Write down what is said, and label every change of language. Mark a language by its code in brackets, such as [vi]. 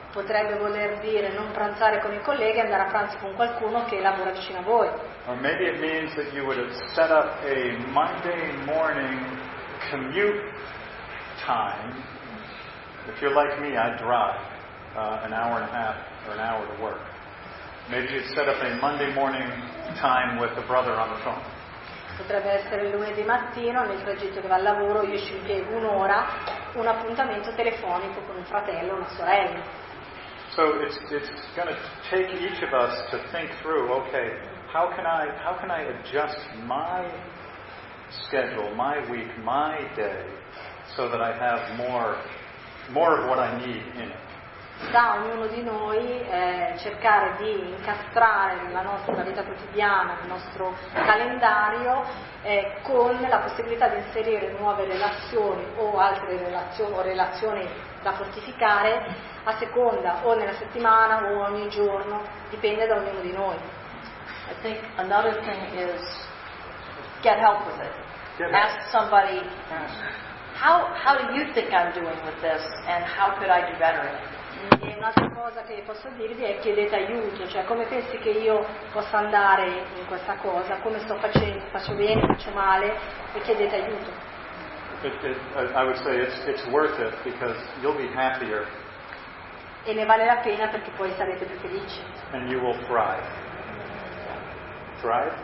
[it] Potrebbe voler dire non pranzare con i colleghi e andare a pranzo con qualcuno che lavora vicino a voi. [en] Or maybe it means that you would set up a Monday morning commute time. If you're like me, I drive an hour and a half or an hour to work. Maybe you set up a Monday morning time with a brother on the phone. [it] Potrebbe essere lunedì mattino, nel tragitto che va al lavoro, io ci impiego un'ora, un appuntamento telefonico con un fratello o una sorella. [en] So it's going to take each of us to think through, okay, how can I adjust my schedule, my week, my day, so that I have more of what I need in it. [it] Da ognuno di noi cercare di incastrare la nostra vita quotidiana, il nostro calendario, con la possibilità di inserire nuove relazioni o altre relazioni, o relazioni da fortificare a seconda o nella settimana o ogni giorno, dipende da ognuno di noi. [en] I think another thing is get help with it. Ask somebody, how do you think I'm doing with this and how could I do better in it? [it] E un'altra cosa che posso dirvi è chiedete aiuto, cioè come pensi che io possa andare in questa cosa, come sto facendo, faccio bene, faccio male, e chiedete aiuto. [en] I would say it's worth it because you'll be happier. [it] E ne vale la pena perché poi sarete più felici. [en] And you will thrive. Thrive?